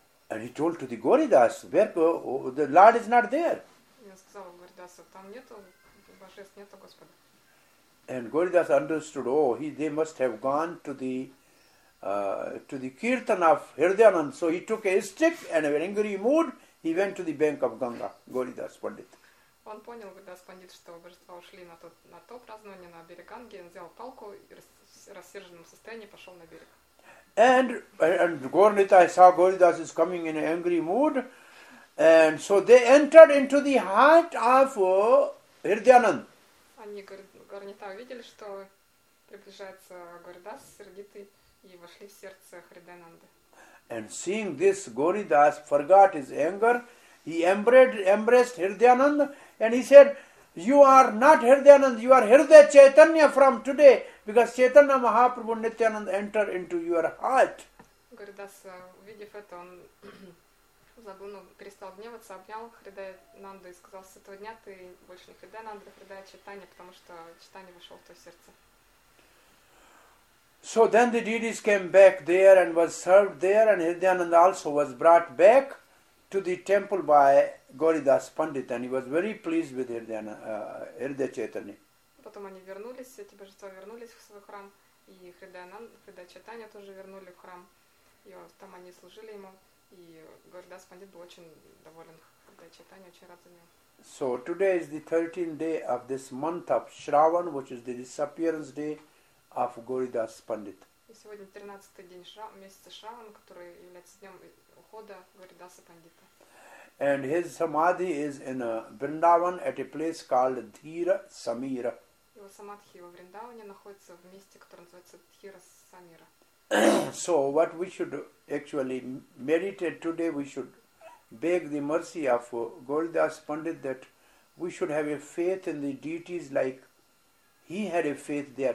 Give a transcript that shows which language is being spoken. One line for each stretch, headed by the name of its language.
English: And he told to the Gauridas, where the Lord is not there.
Russian: И он сказал Гаурадасу, там нету божества, нету Господа.
English: And Gauridas understood, oh, they must have gone to the kirtan of Hridayanand. So he took a stick and in an angry mood, he went to the bank of Ganga, Gauridas Pandit.
Russian: Он понял, Гаурадас Пандит, что божества ушли на то празднование, на берег Ганги, он взял палку и в рассерженном состоянии пошел на берег.
English: And Gaur Nithai saw Gauridas is coming in an angry mood. And so they entered into the heart of Hridayanand.
Russian: Они, Гаур Нитай, увидели, что приближается Гаурадас, сердитый, и вошли в сердце Хридаянанды.
English: And seeing this, Gauridas forgot his anger. He embraced Hridayanand and he said, you are not Hridayanand, you are Hriday Chaitanya from today, because Chaitanya Mahaprabhu Nityananda entered into your heart.
Russian: Gauridas, увидев это, он перестал гневаться, обнял Хридаянанду и сказал, с этого дня ты больше не Хридаянанда, Хридая Чайтанья, потому что Чайтанья вошел в твое сердце.
English: So then the deities came back there and was served there, and Hridayananda also was brought back to the temple by Gauridas Pandit, and he was very pleased with Hridaya Chaitanya.
Russian: Потом они вернулись, эти божества вернулись в свой храм, и Хридая Чайтанья тоже вернули в храм, и там они служили ему. И Гаурадас Пандит был очень доволен, когда Чайтанья очень рад за него.
English: So today is the 13th day of this month of Shravan, which is the disappearance day of Gauridas Pandit.
Russian: И сегодня 13-й день месяца Шраван, который является днем ухода Гаурадаса Пандита.
English: And his samadhi is in Vrindavan at a place called Dhira Samira.
Russian: Его самадхи во Вриндаване находится в месте, которое называется Дхира Самира.
English: So what we should actually meditate today, we should beg the mercy of Gauridas Pandit that we should have a faith in the deities like he had a faith there.